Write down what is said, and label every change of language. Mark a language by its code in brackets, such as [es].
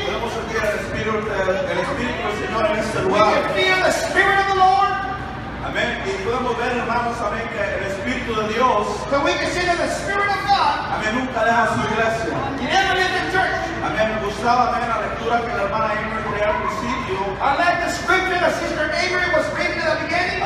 [es] Podemos sentir el Espíritu del Señor en este lugar. [en] We can feel the Spirit of the Lord. [es] Amén. Y podemos ver, hermanos, amén, que el Espíritu de Dios. [en] But we can see that the Spirit of God. [es] Amén. Nunca deja su iglesia. [en] He never leaves the church. [es] Amén. Me gustaba, amén, la lectura que la hermana Amy leía al principio. [en] I like the scripture that Sister Avery was reading at the beginning.